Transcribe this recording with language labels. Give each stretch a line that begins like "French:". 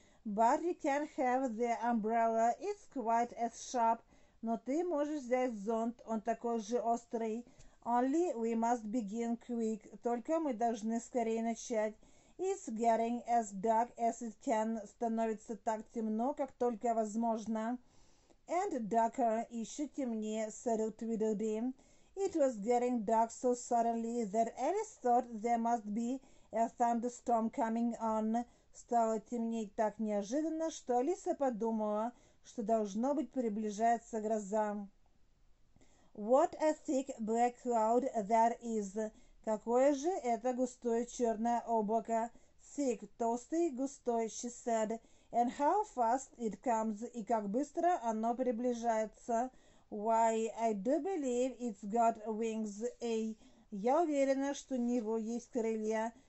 English: but you can have the umbrella, it's quite as sharp,
Russian: но ты можешь взять зонт, он такой же острый,
English: only we must begin quick,
Russian: только мы должны скорее начать,
English: it's getting as dark as it can,
Russian: становится так темно, как только возможно,
English: and darker,
Russian: еще темнее,
English: said Tweedledum. It was getting dark so suddenly that Alice thought there must be a thunderstorm coming on.
Russian: Стало темнеть так неожиданно, что Алиса подумала, что должно быть приближается гроза.
English: What a thick black cloud that is!
Russian: Какое же это густое черное облако?
English: Thick,
Russian: толстый, густой,
English: she said. And how fast it comes!
Russian: И как быстро оно приближается!
English: Why, I do believe it's got wings, eh?
Russian: Я уверена, что у него есть крылья.